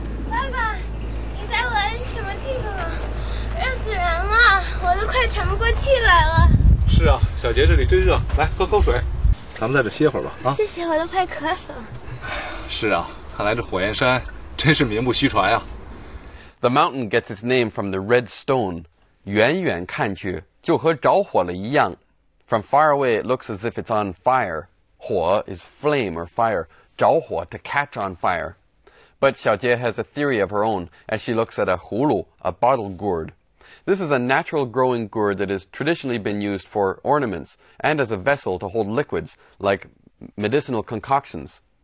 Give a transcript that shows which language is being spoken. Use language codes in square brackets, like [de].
[zh] 爸爸，你在玩什么地方啊？热死人了，我都快喘不过气来了。是啊，小杰这里真热，来喝口水。咱们在这歇会儿吧，啊。谢谢，我都快渴死了。是啊，看来这火焰山真是名不虚传啊。 [en] The mountain gets its name from the red stone. [zh] 远远看去就和着火了一样。 [en] From far away, it looks as if it's on fire. [zh] 火 [en] is flame or fire, [zh] 着火 [en] to catch on fire. But [zh] 小杰 [en] has a theory of her own as she looks at a [zh] 葫芦, [en] a bottle gourd. This is a natural growing gourd that has traditionally been used for ornaments and as a vessel to hold liquids like medicinal concoctions.